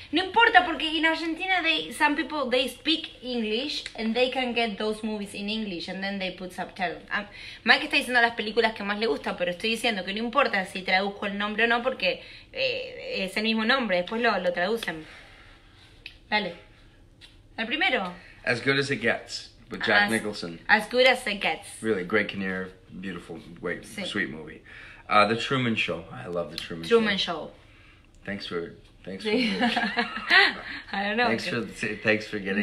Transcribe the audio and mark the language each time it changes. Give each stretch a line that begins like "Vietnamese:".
Spanish: No importa, porque
English: in Argentina, some people, they speak English, and they can get those movies in English, and then they put subtitles.
Spanish: Mike está diciendo las películas que más le gusta, pero estoy diciendo que no importa si traduzco el nombre o no, porque es el mismo nombre, después lo traducen. Dale. El primero.
English: As Good As It Gets, with Jack Nicholson. As Good As It Gets. Really, Greg Kinnear, beautiful, great, sí. Sweet movie. The Truman Show. I love The Truman Show. Truman Show. Thanks for I don't know. Thanks for getting...